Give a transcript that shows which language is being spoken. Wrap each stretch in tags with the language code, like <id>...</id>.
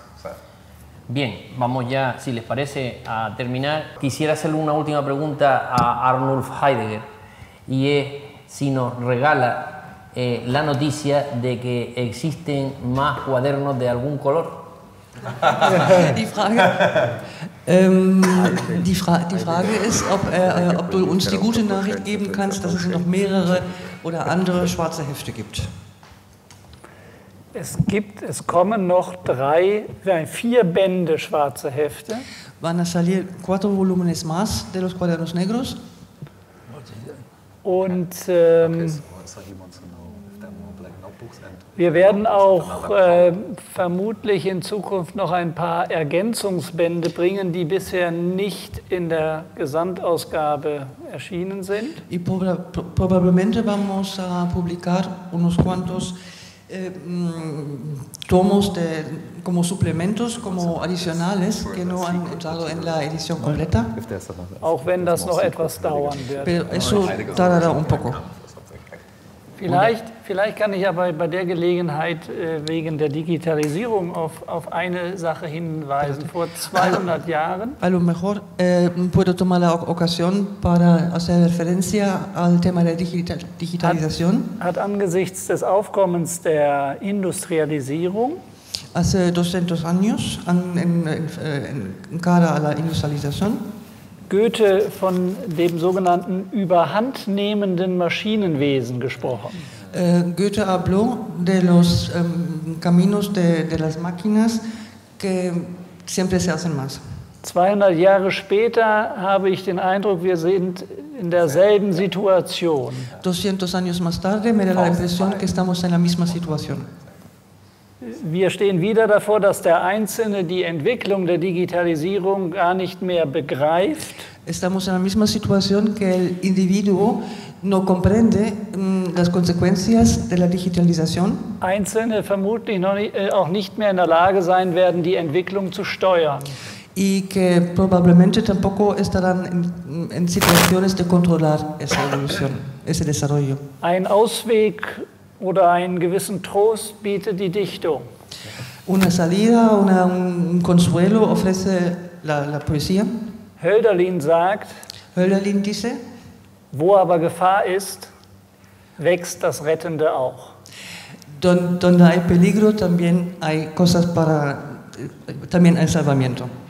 <es>O sea. Bien, vamos ya, si les parece, a terminar. Quisiera hacerle una última pregunta a Arnulf Heidegger. Y es si nos regala la noticia de que existen más cuadernos de algún color.</es> <de>Die Frage, die Frage ist, ob du uns die gute Nachricht geben kannst, dass es noch mehrere oder andere schwarze Hefte gibt. Es kommen noch drei, nein, vier Bände schwarze Hefte.</de> <es>Van a salir cuatro volúmenes más de los cuadernos negros.</es> <de>Und Wir werden auch vermutlich in Zukunft noch ein paar Ergänzungsbände bringen, die bisher nicht in der Gesamtausgabe erschienen sind.</de> <es>Y probablemente vamos a publicar unos cuantos tomos de, como suplementos, como adicionales, que no han entrado en la edición completa.</es> <de>Auch wenn das noch etwas dauern wird.</de> <es>Pero eso tardará un poco.</es> <de>Vielleicht kann ich aber bei der Gelegenheit wegen der Digitalisierung auf eine Sache hinweisen. Vor 200 Jahren.</de> <es>A lo mejor puedo tomar la ocasión para hacer referencia al tema de digitalización.</es> <de>Hat angesichts des Aufkommens der Industrialisierung.</de> <es>Hace 200 años, en cara a la industrialización.</es> <de>Goethe von dem sogenannten überhandnehmenden Maschinenwesen gesprochen.</de> <es>Goethe habló de los caminos de las máquinas que siempre se hacen más.</es> <de>200 Jahre später habe ich den Eindruck, wir sind in derselben Situation.</de> <es>200 años más tarde me da la impresión que estamos en la misma situación.</es> <de>Wir stehen wieder davor, dass der Einzelne die Entwicklung der Digitalisierung gar nicht mehr begreift.</de> <es>Estamos en la misma situación que el individuo no comprende las consecuencias de la digitalización.</es> <de>Einzelne vermutlich noch nicht, auch nicht mehr in der Lage sein werden, die Entwicklung zu steuern.</de> <es>Y que probablemente tampoco estarán en situaciones de controlar esa evolución, ese desarrollo.</es> <de>Ein Ausweg oder einen gewissen Trost bietet die Dichtung.</de> <es>Una salida, un consuelo ofrece la poesía.</es> <de>Hölderlin sagt,</de> <es>Hölderlin dice,</es> <de>wo aber Gefahr ist, wächst das Rettende auch.</de> <es>Donde hay peligro, también hay cosas para, también hay salvamento.</es>